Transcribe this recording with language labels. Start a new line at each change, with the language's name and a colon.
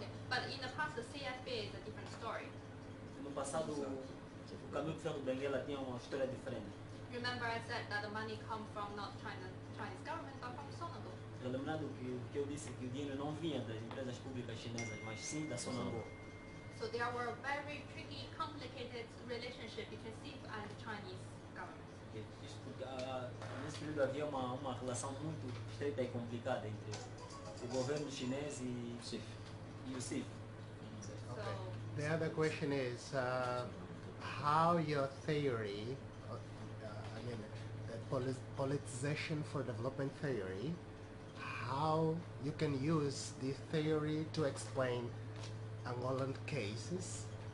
English: But in the past, the CFP is a different story.
Portuguese: No passado, o caminho de ferro de Benguela tinha uma história diferente.
English: Remember, I said that the money come from not Chinese government, but from Sonangol.
Portuguese: Lembrando que eu disse que o dinheiro não vinha das empresas públicas chinesas, mas sim da Sonangol.
English: So there were very tricky, complicated relationship between CIF and the Chinese government.
Portuguese: Nesse período havia uma relação muito estreita e complicada entre o governo chinês e o CIF.
English: Okay. The other question is how your theory, the politicization for development theory. How you can use this theory to explain Angolan cases.